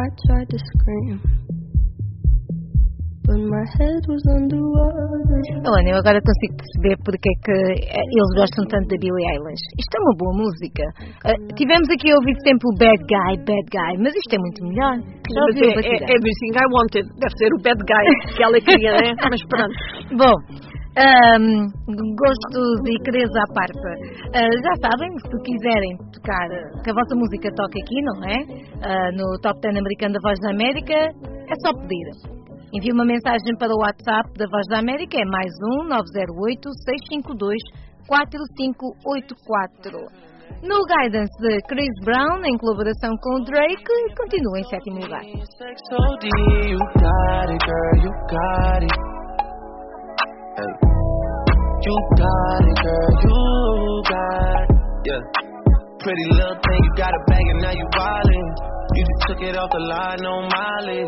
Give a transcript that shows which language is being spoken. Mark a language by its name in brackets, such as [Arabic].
[English] Tried to scream, but my head was underwater. [Portuguese] Olha, eu agora consigo perceber porque é que eles gostam tanto da Billie Eilish. Isto é uma boa música. Tivemos aqui a ouvir sempre o Bad Guy, mas isto é muito melhor. É Everything I Wanted, deve ser o Bad Guy que ela queria, né? Mas pronto. Bom. Gostos e queridos à parte, já sabem, se tu quiserem tocar, que a vossa música toque aqui, não é? No Top 10 americano da Voz da América, é só pedir. Envie uma mensagem para o WhatsApp da Voz da América, é mais 1-908-652-4584. No Guidance de Chris Brown, em colaboração com o Drake, continua em sétimo lugar. [English] You got it, girl, you got it, yeah. Pretty little thing, you got a bag and now you wildin'. You just took it off the line, no mileage.